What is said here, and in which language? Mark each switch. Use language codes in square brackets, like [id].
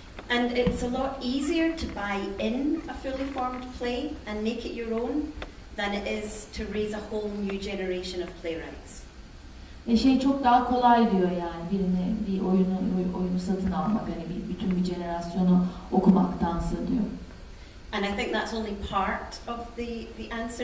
[en] And it's a lot easier to buy in a fully formed play and make it your own than it is to raise a whole new generation of playwrights. [tr] Şey çok daha kolay diyor yani birini bir oyunu satın almak hani bütün bir jenerasyonu okumaktansa diyor. [en] And I think that's only part of the answer.